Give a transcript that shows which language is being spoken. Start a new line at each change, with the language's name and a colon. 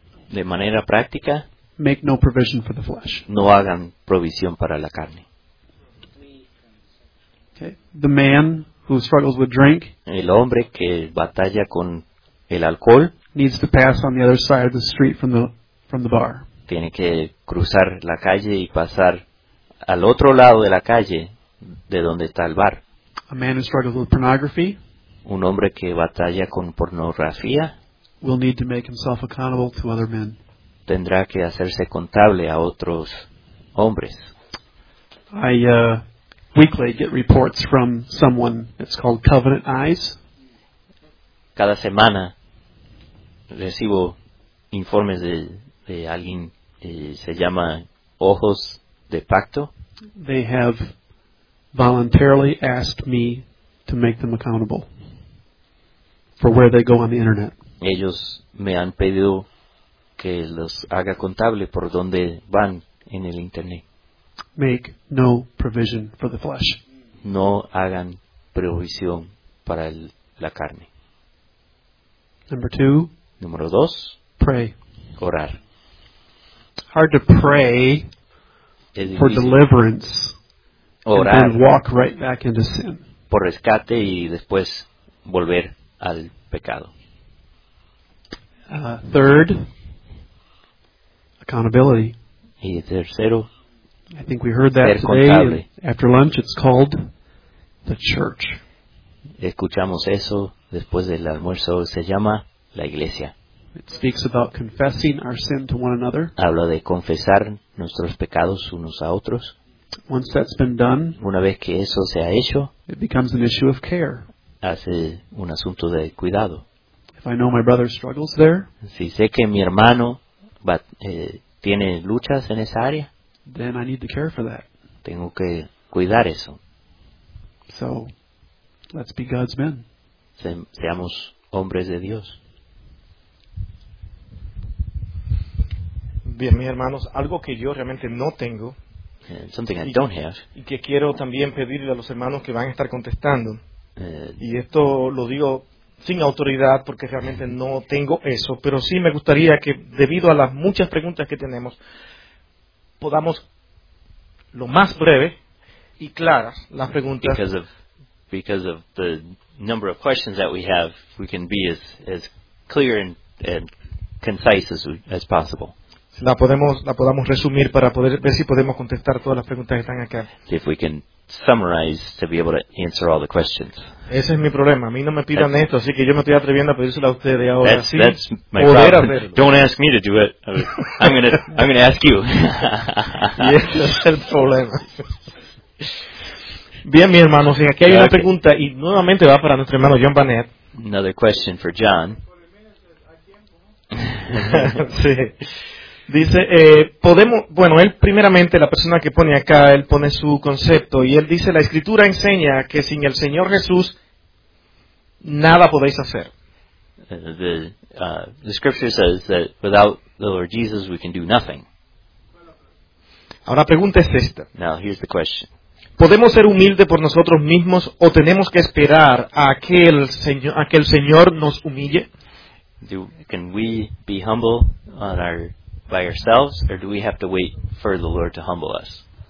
Spanish: de manera práctica,
English: make no provision for the flesh.
Spanish: No hagan provisión para la carne.
English: Okay. The man who struggles with drink,
Spanish: el hombre que batalla con el alcohol,
English: needs to pass on the other side of the street from the bar.
Spanish: Tiene que cruzar la calle y pasar al otro lado de la calle de donde está el bar.
English: A man who struggles with pornography,
Spanish: un hombre que batalla con pornografía,
English: will need to make himself accountable to other men.
Spanish: Tendrá que hacerse contable a otros hombres.
English: I weekly get reports from someone that's called Covenant Eyes.
Spanish: Cada semana recibo informes de alguien que se llama Ojos de Pacto.
English: They have voluntarily asked me to make them accountable for where they go on the internet.
Spanish: Ellos me han pedido que los haga contable por donde van en el internet.
English: Make no provision for the flesh.
Spanish: No hagan provisión para la carne.
English: Number two.
Spanish: Número dos.
English: Pray.
Spanish: Orar.
English: Hard to pray for deliverance
Spanish: orar
English: and then walk right back into sin.
Spanish: Por rescate y después volver al pecado.
English: Third. Accountability.
Spanish: Y tercero.
English: I think we heard that today. After lunch, it's called the church.
Spanish: Escuchamos eso después del almuerzo. Se llama la iglesia.
English: It speaks about confessing our sin to one another.
Spanish: Habla de confesar nuestros pecados unos a otros.
English: Once that's been done,
Spanish: una vez que eso se ha hecho,
English: it becomes an issue of care.
Spanish: Hace un asunto de cuidado.
English: If I know my brother struggles there,
Spanish: si sé que mi hermano tiene luchas en esa área,
English: then I need to care for that.
Spanish: Tengo que cuidar eso.
English: So, let's be God's men.
Spanish: Seamos hombres de Dios. Bien, mis hermanos, algo que yo realmente no tengo,
English: something I don't have,
Spanish: y que quiero también pedirle a los hermanos que van a estar contestando, y esto lo digo sin autoridad porque realmente no tengo eso, pero sí me gustaría que, debido a las muchas preguntas que tenemos, podamos lo más breve y claras las preguntas.
English: Because of the number of questions that we have, we can be as clear and concise as possible.
Spanish: La podamos resumir para poder ver si podemos contestar todas las preguntas que están acá.
English: If we can summarize to be able to answer all the questions.
Spanish: Ese es mi problema. A mí no me pidan
English: that's,
Spanish: esto, así que yo me estoy atreviendo a pedírselo a ustedes ahora.
English: That's,
Spanish: sí,
English: that's my
Spanish: poder
English: problem.
Spanish: Hacerlo.
English: Don't ask me to do it. I'm gonna ask you.
Spanish: Y ese es el problema. Bien, mis hermanos, aquí hay una pregunta y nuevamente va para nuestro hermano John Bannett.
English: Another question for John.
Spanish: Sí. Dice, podemos, bueno, él primeramente, la persona que pone acá, él pone su concepto, y él dice, la Escritura enseña que sin el Señor Jesús, nada podéis hacer.
English: The Scripture says that without the Lord Jesus, we can do nothing.
Spanish: Ahora la pregunta es esta.
English: Now, here's the question.
Spanish: ¿Podemos ser humildes por nosotros mismos, o tenemos que esperar a que el Señor nos humille?
English: Can we be humble on our by ourselves, or do we have to wait for the Lord to humble us?